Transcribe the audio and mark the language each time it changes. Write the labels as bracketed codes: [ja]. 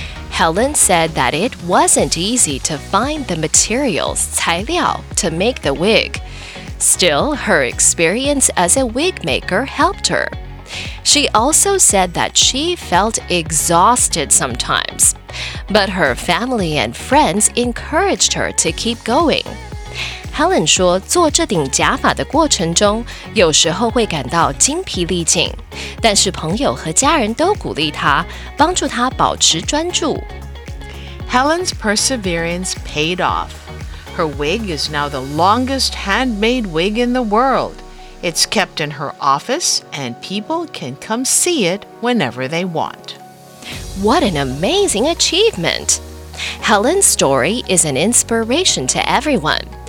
[en] Helen said that it wasn't easy to find the materials, 材料, to make the wig. Still, her experience as a wig maker helped her. She also said that she felt exhausted sometimes, but her family and friends encouraged her to keep going. [zh] Helen 说，做这顶假发的过程中，有时候会感到筋疲力尽。但是朋友和家人都鼓励她，帮助她保持专注。 [en] Helen's perseverance paid off. Her wig is now the longest handmade wig in the world. It's kept in her office, and people can come see it whenever they want. What an amazing achievement! Helen's story is an inspiration to everyone.